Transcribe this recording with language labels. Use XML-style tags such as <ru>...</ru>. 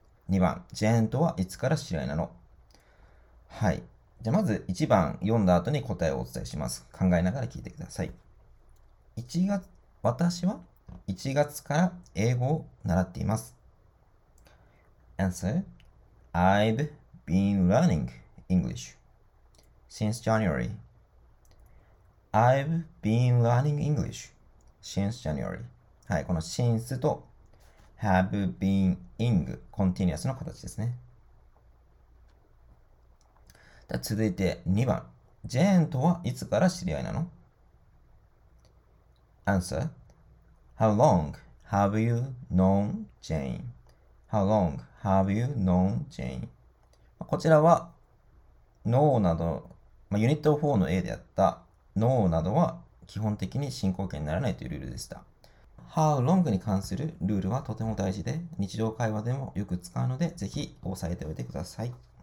<ja>2番、ジェーンとはいつから知り合いなの?はい。じゃあまず1番読んだ後に答えをお伝えします。考えながら聞いてください。私は1月から英語を習っています。</ja> <en>Answer: I've been learning English since January. I've been learning English since January.</en> <ja>はい。この since と</ja> <en>have been in continuous</en> <ja>の形ですね。続いて2番。ジェーンとはいつから知り合いなの?</ja> <en>Answer: How long have you known Jane? How long have you known Jane?</en> <ja>こちらは、No など、ユニット4の A であった No などは基本的に進行形にならないというルールでした。 How long に関するルールはとても大事で、日常会話でもよく使うので、ぜひ押さえておいてください。</ja>